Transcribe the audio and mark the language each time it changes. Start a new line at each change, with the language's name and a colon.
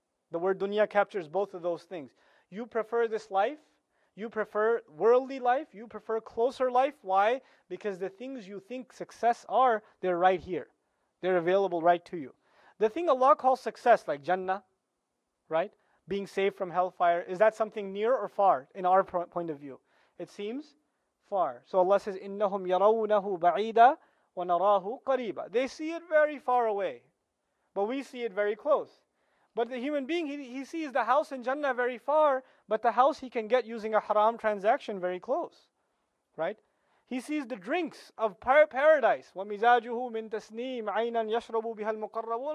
English: The word dunya captures both of those things. You prefer this life, you prefer worldly life, you prefer closer life. Why? Because the things you think success are, they're right here. They're available right to you. The thing Allah calls success, like Jannah, right? Being saved from hellfire, is that something near or far in our point of view? It seems far. So Allah says,
Arabic: إِنَّهُمْ يَرَوْنَهُ بَعِيدًا وَنَرَاهُ قَرِيبًا.
English: They see it very far away, but we see it very close. But the human being, he sees the house in Jannah very far, but the house he can get using a haram transaction very close. Right? He sees the drinks of paradise.
Arabic: وَمِزَاجُهُ مِن تَسْنِيم عَيْنًا يَشْرَبُ بِهَا الْمُقَرَّبُونَ.